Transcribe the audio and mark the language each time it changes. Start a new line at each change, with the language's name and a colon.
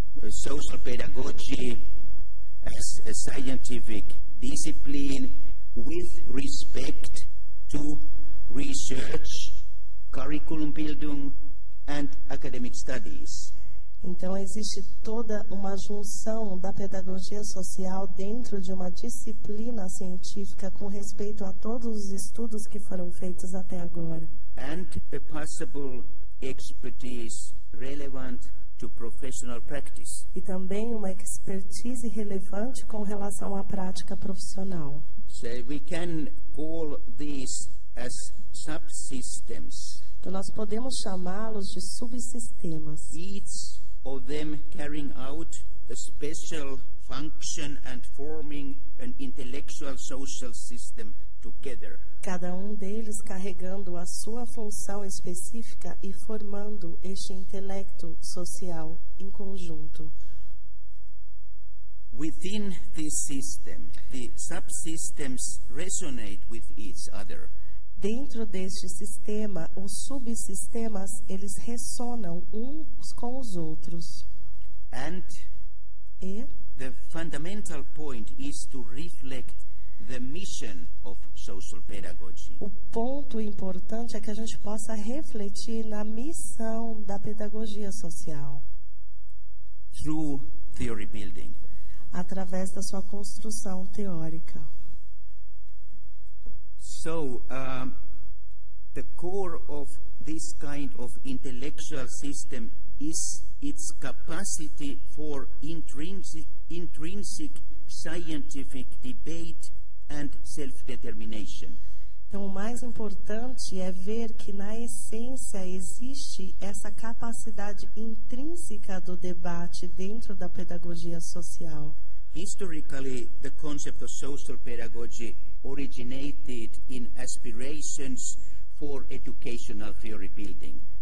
English: Social pedagogy as a scientific discipline with respect to research, curriculum building, and academic studies.
Portuguese: Então, existe toda uma junção da pedagogia social dentro de uma disciplina científica com respeito a todos os estudos que foram feitos até agora.
English: And a possible expertise relevant to professional practice.
Portuguese: E também uma expertise relevante com relação à prática profissional.
English: So we can call these as subsystems.
Portuguese: Então, nós podemos chamá-los de subsistemas.
English: Each of them carrying out a special function and forming an intellectual social system together.
Portuguese: Cada um deles carregando a sua função específica e formando este intelecto social em conjunto.
English: Within this system, the subsystems resonate with each other.
Portuguese: Dentro deste sistema, os subsistemas, eles ressonam uns com os outros.
English: And
Portuguese: e
English: the fundamental point is to reflect the mission of social pedagogy.
Portuguese: O ponto importante é que a gente possa refletir na missão da pedagogia social.
English: Through theory building.
Portuguese: Através da sua construção teórica.
English: So, the core of this kind of intellectual system is its capacity for intrinsic scientific debate and self-determination.
Portuguese: Então, o mais importante é ver que na essência existe essa capacidade intrínseca do debate dentro da pedagogia social.
English: Historically, the concept of social pedagogy originated in aspirations for educational theory building.